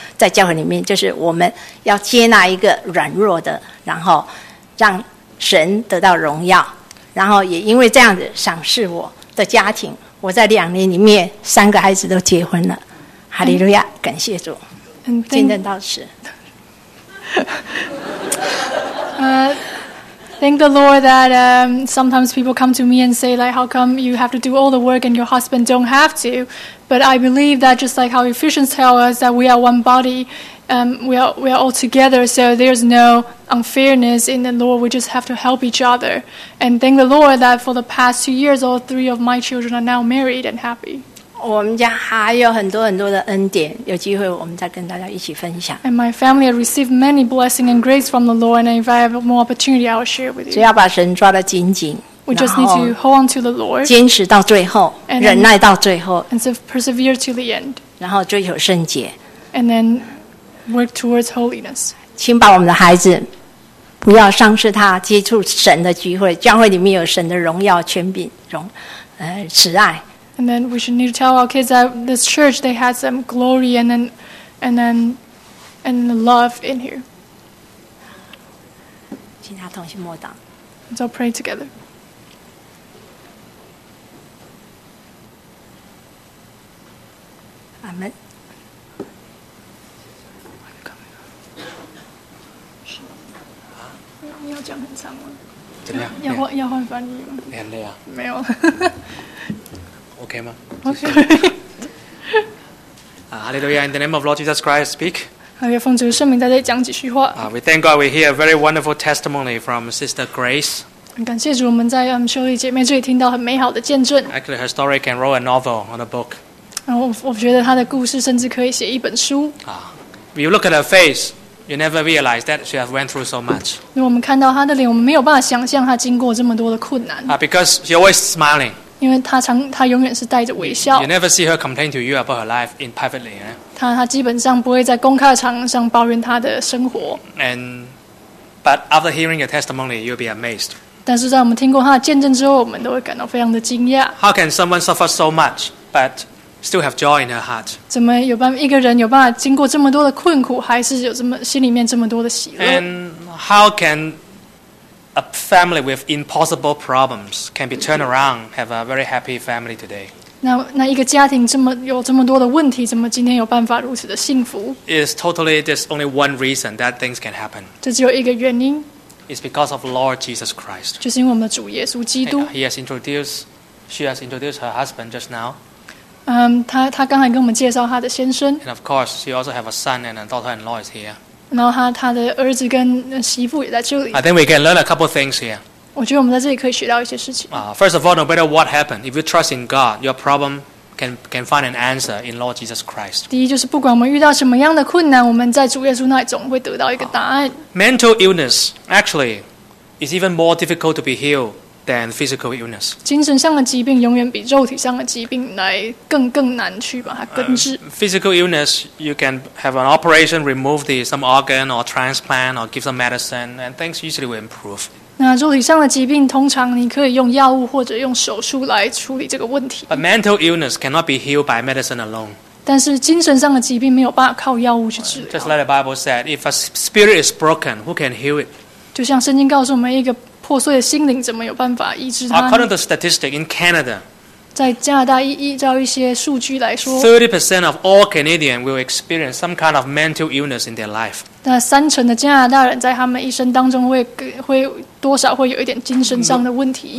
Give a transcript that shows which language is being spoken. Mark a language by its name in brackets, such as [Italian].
[Chinese] 在教会里面，就是我们要接纳一个软弱的，然后让神得到荣耀，然后也因为这样子赏赐我的家庭。我在两年里面，三个孩子都结婚了，哈利路亚，感谢主，见证到此。 [English] Thank the Lord that sometimes people come to me and say, like, how come you have to do all the work and your husband don't have to? But I believe that just like how Ephesians tell us that we are one body, we are all together, so there's no unfairness in the Lord. We just have to help each other. And thank the Lord that for the past 2 years, all three of my children are now married and happy. [Chinese] 我们家还有很多很多的恩典，有机会我们再跟大家一起分享。 [English] And my family has received many blessings and grace from the Lord, and if I have more opportunity, I will share with you. [Chinese] 只要把神抓得紧紧， [English] we just need to hold on to the Lord. [Chinese] 坚持到最后， [English] and then, [Chinese] 忍耐到最后， [English] and so persevere to the end. [Chinese] 然后追求圣洁， [English] and then work towards holiness. [Chinese] 请把我们的孩子不要丧失他接触神的机会，教会里面有神的荣耀、权柄、慈爱。 [English] And then we should need to tell our kids that this church, they had some glory and love in here. [Chinese] 请他同心默祷。 [English] Let's all pray together. [Chinese] 阿门。你要讲很长吗？怎么样？要换翻译吗？你很累啊。没有。 OK 吗？OK。 [English] Hallelujah! In the name of Lord Jesus Christ, speak. [Chinese] 还有奉主圣名，大家讲几句话。 [English] We thank God. We hear a very wonderful testimony from Sister Grace. [Chinese] 感谢主，我们在修理姐妹这里听到很美好的见证。 [English] Actually, her story can write a novel or a book. [Chinese] 我觉得她的故事甚至可以写一本书。 [English] You look at her face, you never realize that she has went through so much. [Chinese] 因为我们看到她的脸，我们没有办法想象她经过这么多的困难。 [English] Because she always smiling. [Chinese] 因为他永远是带着微笑。 [English] You never see her complain to you about her life in privately. [Chinese] 他基本上不会在公开场上抱怨他的生活。 [English] And but after hearing your testimony, you'll be amazed. [Chinese] 但是在我们听过他的见证之后，我们都会感到非常的惊讶。 [English] How can someone suffer so much but still have joy in her heart? [Chinese] 怎么有办法一个人有办法经过这么多的困苦，还是有这么心里面这么多的喜乐 [English] ？And how can A family with impossible problems can be turned around, have a very happy family today. [Chinese] 那一个家庭这么有这么多的问题，怎么今天有办法如此的幸福？ [English] It's totally there's only one reason that things can happen. [Chinese] 这只有一个原因。 [English] It's because of Lord Jesus Christ. [Chinese] 就是因为我们的主耶稣基督。 [English] She has introduced her husband just now. [Chinese] 他刚才跟我们介绍他的先生。 [English] And of course, she also have a son and a daughter-in-law is here. [Chinese] 然后他的儿子跟媳妇也在这里。 [English] I think we can learn a couple things here. [Chinese] 我觉得我们在这里可以学到一些事情。 [English] First of all, no matter what happened, if you trust in God, your problem can find an answer in Lord Jesus Christ. [Chinese] 第一就是不管我们遇到什么样的困难，我们在主耶稣那里总会得到一个答案。 [English] Mental illness actually is even more difficult to be healed. Than physical illness. [Chinese] 精神上的疾病永远比肉体上的疾病来更难去把它根治。 [English] Physical illness, you can have an operation, remove some organ or transplant or give some medicine, and things usually will improve. [Chinese] 那肉体上的疾病通常你可以用药物或者用手术来处理这个问题。 [English] But mental illness cannot be healed by medicine alone. [Chinese] 但是精神上的疾病没有办法靠药物去治疗。 [English] Just like the Bible said, if a spirit is broken, who can heal it? [Chinese] 就像圣经告诉我们一个。破碎的心灵怎么有办法医治它呢？ [English] According to statistic in Canada, [Chinese] 在加拿大依照一些数据来说， [English] 30% of all Canadians will experience some kind of mental illness in their life. [Chinese] 那三成的加拿大人在他们一生当中会多少会有一点精神上的问题。